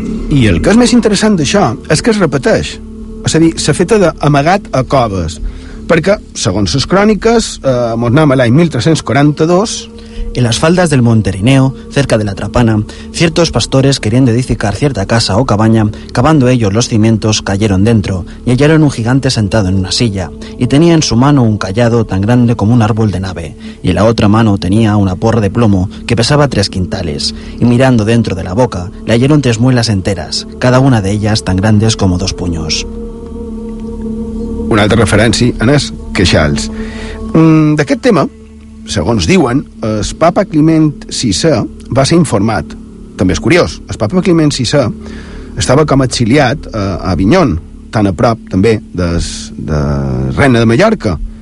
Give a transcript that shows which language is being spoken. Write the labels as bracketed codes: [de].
[ca] I el que és més interessant d'això és que es repeteix. És a dir, s'ha fet d'amagat a coves. Perquè, segons les cròniques, mornam a l'any 1342... [es] En las faldas del monte Rineo, cerca de la Trapana, ciertos pastores queriendo edificar cierta casa o cabaña, cavando ellos los cimientos, cayeron dentro y hallaron un gigante sentado en una silla, y tenía en su mano un cayado tan grande como un árbol de nave, y en la otra mano tenía una porra de plomo que pesaba 3 quintales, y mirando dentro de la boca le hallaron 3 muelas enteras, cada una de ellas tan grandes como 2 puños. [ca] una altra referència en els queixals. D'aquest tema, segons diuen, el papa Climent VI va ser informat. També és curiós, el papa Climent VI estava com exiliat a Avinyon, tan a prop també de Reina de Mallorca.